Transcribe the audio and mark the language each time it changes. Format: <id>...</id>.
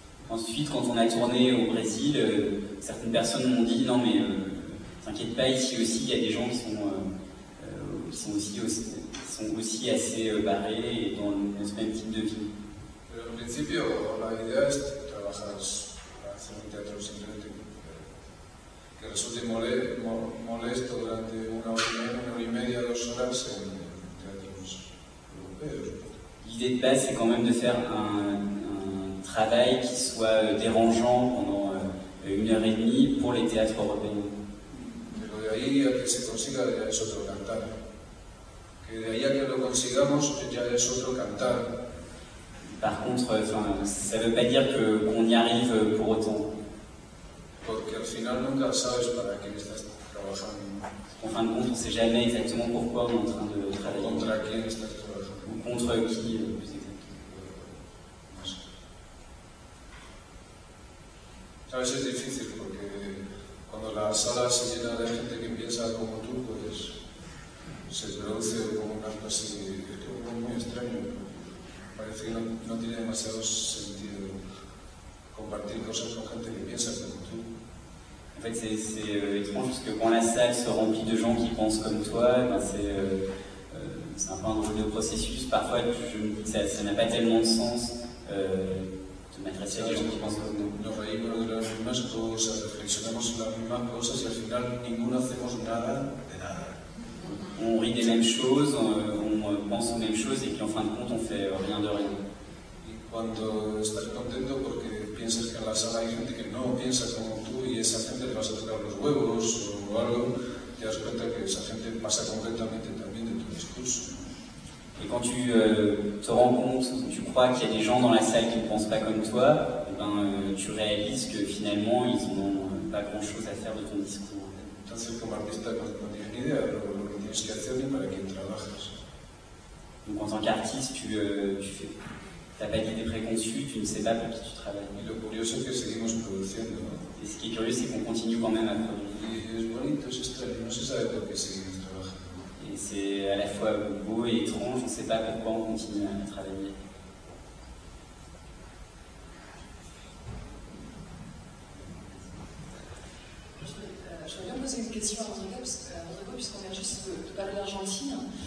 <fr>Ensuite, quand on a tourné au Brésil, certaines personnes m'ont dit « Non, mais t'inquiète pas, ici aussi, il y a des gens qui sont aussi assez barrés et dans le même type de vie. »</fr> <es>Pero en principio, la idea es trabajar hacer un teatro simplemente que resulte molesto durante una hora y media, 2 horas en teatros europeos.</es> <fr>L'idée de base, c'est quand même de faire un travail qui soit dérangeant pendant 1 heure et demie pour les théâtres européens.</fr> <es>Pero de ahí a que se consiga ya es otro cantar. Que de ahí a que lo consigamos ya es otro cantar.</es> <fr>Par contre, enfin, ça ne veut pas dire qu'on y arrive pour autant.</fr> <es>Porque al final nunca sabes para quién estás trabajando.</es> <fr>En fin de compte, on ne sait jamais exactement pourquoi on est en train de travailler.</fr> <es>Contra quién estás trabajando.</es> <fr>Ou contre qui, plus exactement.</fr> <es>Sabes, es difícil porque cuando la sala se llena de gente que piensa como tú, pues se produce como un acto así muy extraño. Parece que no tiene demasiado sentido compartir cosas con gente que piensa como tú.</es> <fr>En fait, c'est étrange parce que quand la salle se remplit de gens qui pensent comme toi, ben c'est un peu un drôle de processus. Parfois, ça n'a pas tellement de sens de m'adresser à des gens qui pensent comme nous.</fr> <es>Nos reímos de las mismas cosas, reflexionamos sobre las mismas cosas y al final, ninguno hacemos nada de nada.</es> <fr>On rit des mêmes choses, on pense aux mêmes choses et puis en fin de compte on fait rien de rien.</fr> <es>Y cuando estás contento porque piensas que en la sala hay gente que no piensa como tú y esa gente te vas a tocar los huevos o algo, te das cuenta que esa gente pasa completamente también de tu discurso.</es> <fr>Et quand tu te rends compte, tu crois qu'il y a des gens dans la salle qui ne pensent pas comme toi, et ben, tu réalises que finalement ils n'ont pas grand chose à faire de ton discours.</fr> <es>Entonces, como artista, no tienes ni idea de lo que tienes que hacer ni para quién trabajas.</es> <fr>Donc, en tant qu'artiste, tu n'as pas d'idée préconçue, tu ne sais pas pour qui tu travailles.</fr> <es>Y lo curioso es que seguimos produciendo.</es> <fr>Et ce qui est curieux, c'est qu'on continue quand même à produire.</fr> <es>Y es bonito, es extraño, no se sabe por qué seguimos trabajando.</es> <fr>Et c'est à la fois beau et étrange, on ne sait pas pourquoi on continue à travailler. C'est une question à Rodrigo, puisqu'on vient juste de parler d'Argentine.</fr>